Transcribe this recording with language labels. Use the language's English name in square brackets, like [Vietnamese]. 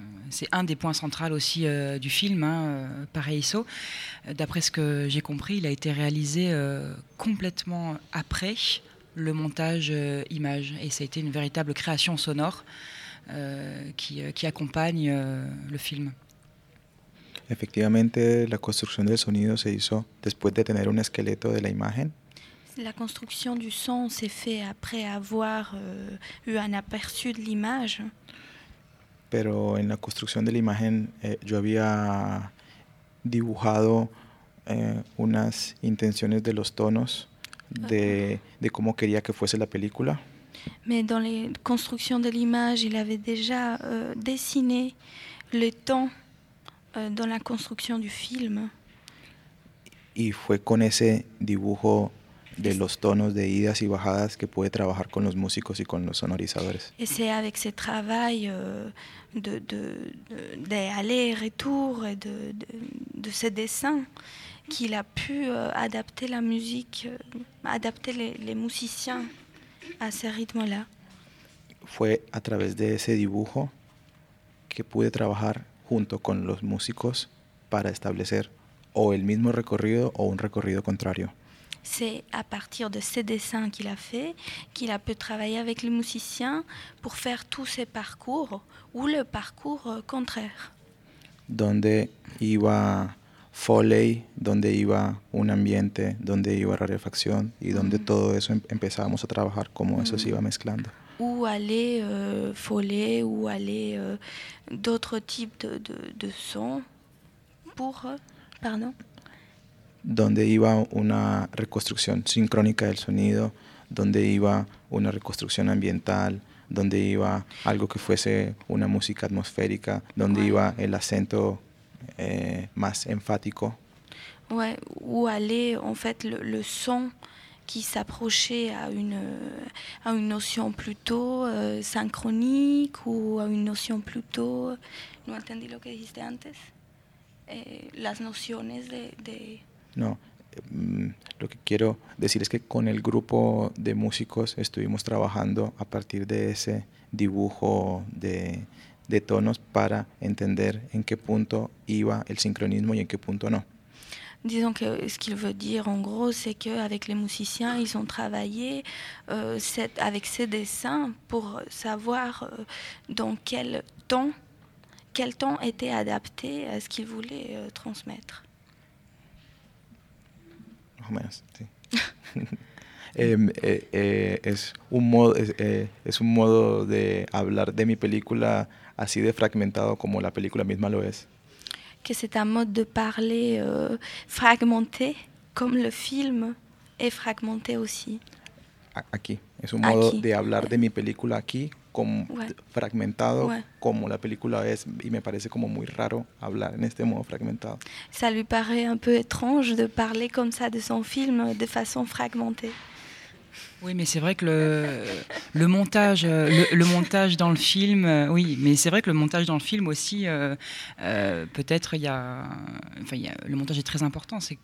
[French] C'est un des points centraux aussi du film, hein, Paraíso. D'après ce que j'ai compris, il a été réalisé complètement après le montage image, et ça a été une véritable création sonore qui accompagne le film. Effectivement, la construction du son [Spanish] se hizo después de tener un esqueleto de la imagen. [French] La construction du son s'est faite après avoir eu un aperçu de l'image. [Spanish] Pero en la construcción de la imagen yo había dibujado unas intenciones de los tonos de cómo quería que fuese la película. [French] Mais dans la construction de l'image, il avait déjà dessiné le ton dans la construction du film. [Spanish] Y fue con ese dibujo de los tonos de idas y bajadas que puede trabajar con los músicos y con los sonorizadores. [French] Et c'est avec ce travail de aller-retour et de ce dessin qu'il a pu adapter la musique, adapter les musiciens à ce rythme-là. [Spanish] Fue a través de ese dibujo que pude trabajar junto con los músicos para establecer o el mismo recorrido o un recorrido contrario. [French] C'est à partir de ces dessins qu'il a fait qu'il a pu travailler avec les musiciens pour faire tous ces parcours ou le parcours contraire. [Spanish] Donde iba Foley, donde iba un ambiente, donde iba rarefacción y donde todo eso empezábamos a trabajar cómo eso se iba mezclando. [French] Où aller Foley, où aller d'autres types de sons pour pardon. [Spanish] Donde iba una reconstrucción sincrónica del sonido, donde iba una reconstrucción ambiental, donde iba algo que fuese una música atmosférica, donde iba el acento más enfático. [French] Ouais, où allait en fait le son qui s'approchait à une notion plutôt synchronique ou à une notion plutôt. [Spanish] No entendí lo que dijiste antes. Las nociones de No, lo que quiero decir es que con el grupo de músicos estuvimos trabajando a partir de ese dibujo de tonos para entender en qué punto iba el sincronismo y en qué punto no. [French] Disons que ce qu'il veut dire, en gros, c'est qu'avec les musiciens, ils ont travaillé avec ces dessins pour savoir dans quel temps était adapté à ce qu'ils voulaient transmettre. Merci. [Spanish] es un modo de hablar de mi película así de fragmentado como la película misma lo es. [French] Que c'est un mode de parler fragmenté comme le film est fragmenté aussi. [Spanish] Aquí, es un modo aquí. De hablar de mi película aquí como fragmentado como la película es y me parece como muy raro hablar en este modo fragmentado. [French] Ça lui paraît un peu étrange de parler comme ça de son film de façon fragmentée. Oui, mais c'est vrai que le montage dans le film, oui, mais c'est vrai que le montage dans le film aussi, peut-être le montage est très important.